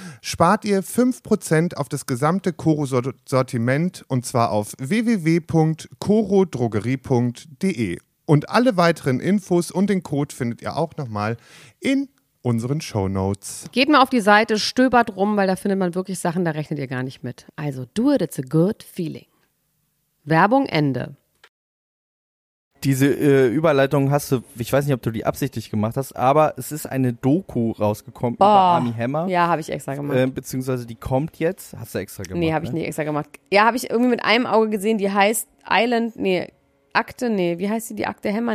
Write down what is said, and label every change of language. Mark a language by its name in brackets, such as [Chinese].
[German] Spart ihr 5% auf das gesamte Koro-Sortiment und zwar auf www.korodrogerie.de. Und alle weiteren Infos und den Code findet ihr auch nochmal in unseren Shownotes. Geht mal auf die Seite, stöbert rum, weil da findet man wirklich Sachen, da rechnet ihr gar nicht mit. [English] Also do it, it's a good feeling. [German] Werbung Ende. Diese Überleitung hast du, ich weiß nicht, ob du die absichtlich gemacht hast, aber es ist eine Doku rausgekommen über Armie Hammer. Ja, habe ich extra gemacht. Beziehungsweise die kommt jetzt. Hast du extra gemacht? Nee, habe ich nicht extra gemacht. Ja, habe ich irgendwie mit einem Auge gesehen, die heißt Island, nee, Akte, nee, wie heißt die Akte Hammer?